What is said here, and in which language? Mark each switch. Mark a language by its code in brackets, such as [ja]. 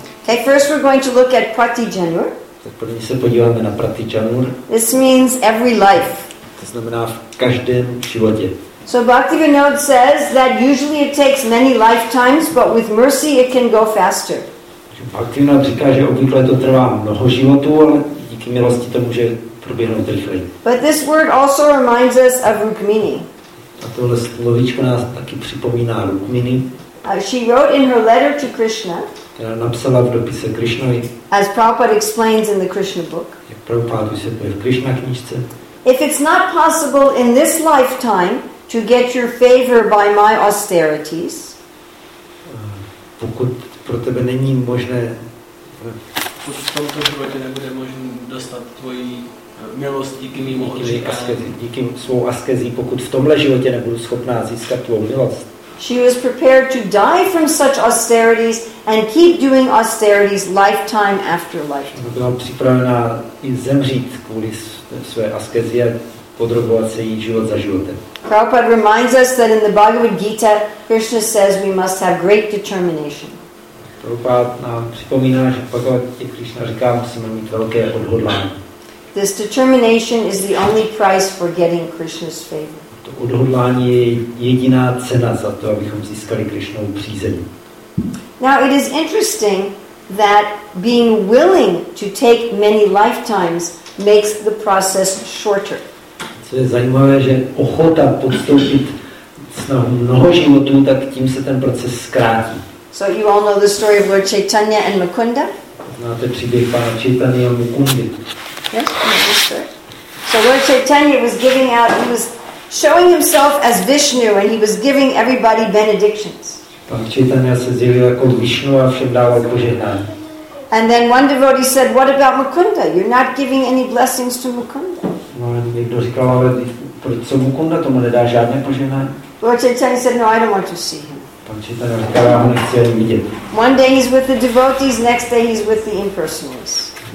[en] Okay, first we're going to look at pratijanur. [cs] Tak první se podíváme na pratijanur. [en] This means every life. [cs] To znamená v každém životě. [en] So Bhaktivinoda says that usually it takes many lifetimes, but with mercy it can go faster. [cs] Bhaktivinoda říká, že obvykle to trvá mnoho životů, ale díky milosti to může proběhnout rychleji. [en] But this word also reminds us of Rukmini. [cs] A tohle slovíčko nás taky připomíná Rukmini. [en] She wrote in her letter to Krishna. [cs] Která napsala v dopise Krishnovi. [en] As Prabhupada explains in the Krishna book. [cs] Jak Prabhupada vysvětluje v Krishna knížce. [en] If it's not possible in this lifetime to get your favor by my austerities. [cs] Pokud pro tebe není možné, v tomto životě nebude možný dostat tvoji milost díky mým odříkáním. Díky svou askezí, pokud v tomhle životě nebudu schopná získat tvou milost. [en] She was prepared to die from such austerities and keep doing austerities lifetime after lifetime. [cs] Byla připravená i zemřít kvůli své askezi a podrobovat se jí život za životem. [en] Prabhupada reminds us that in the Bhagavad Gita, Krishna says we must have great determination. [cs] Prabhupada nám připomíná, že Bhagavad Gita Krishna říká, musíme mít velké odhodlání. [en] This determination is the only price for getting Krishna's favor. [cs] To odhodlání je jediná cena za to, abychom získali Krishnovu přízeň. [en] Now it is interesting that being willing to take many lifetimes makes the process shorter. [cs] Co je zajímavé, že ochota podstoupit snahu mnoho životů, tak tím se ten proces zkrátí. [en] So you all know the story of Lord Chaitanya and Mukunda? [cs] Znáte příběh pana Chaitany a Mukundy? [en] Yes, I'm sure. So Lord Chaitanya was giving out, he was showing himself as Vishnu, and he was giving everybody benedictions. [cs] Pan Chaitanya se zjevil jako Vishnu a všem dával požehnání. [en] And then one devotee said, "What about Mukunda? You're not giving any blessings to Mukunda." [cs] No, někdo říkal, ale proč Mukunda tomu nedá žádné požehnání? [en] Lord Chaitanya said, "No, I don't want to see him." [cs] Pan Chaitanya říkal, já ho nechci ani vidět. [en] One day he's with the devotees, next day he's with the impersonalists.